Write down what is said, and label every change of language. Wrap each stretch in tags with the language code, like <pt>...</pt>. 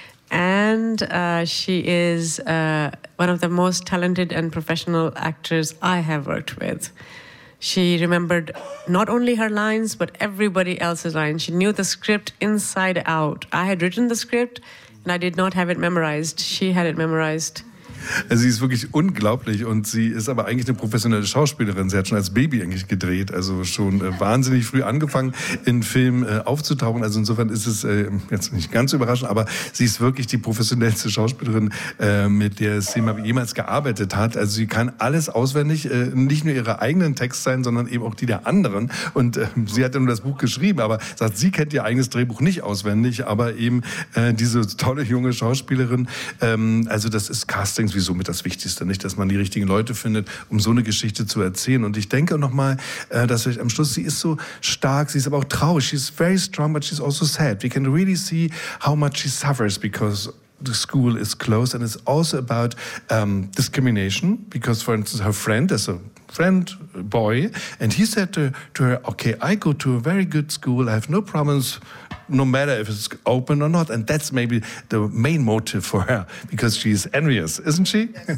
<en>And she is one of the most talented and professional actors I have worked with. She remembered not only her lines, but everybody else's lines. She knew the script inside out. I had written the script and I did not have it memorized. She had it memorized.</en> <de>Sie ist wirklich unglaublich und sie ist aber eigentlich eine professionelle Schauspielerin. Sie hat schon als Baby eigentlich gedreht, also schon wahnsinnig früh angefangen, in Filmen aufzutauchen. Also insofern ist es jetzt nicht ganz überraschend, aber sie ist wirklich die professionellste Schauspielerin, mit der Sima jemals gearbeitet hat. Also sie kann alles auswendig, nicht nur ihre eigenen Texte sein, sondern eben auch die der anderen. Und sie hat ja nur das Buch geschrieben, aber sagt, sie kennt ihr eigenes Drehbuch nicht auswendig, aber eben diese tolle junge Schauspielerin, also das ist Cast. Wie somit das Wichtigste, nicht, dass man die richtigen Leute findet, um so eine Geschichte zu erzählen. Und ich denke nochmal, dass vielleicht am Schluss, sie ist so stark, sie ist aber auch traurig.</de> <en>She's very strong, but she's also sad. We can really see how much she suffers because the school is closed and it's also about discrimination because, for instance, her friend, there's a friend, boy, and he said to her, okay, I go to a very good school, I have no problems, no matter if it's open or not. And that's maybe the main motive for her, because she's envious, isn't she?</en>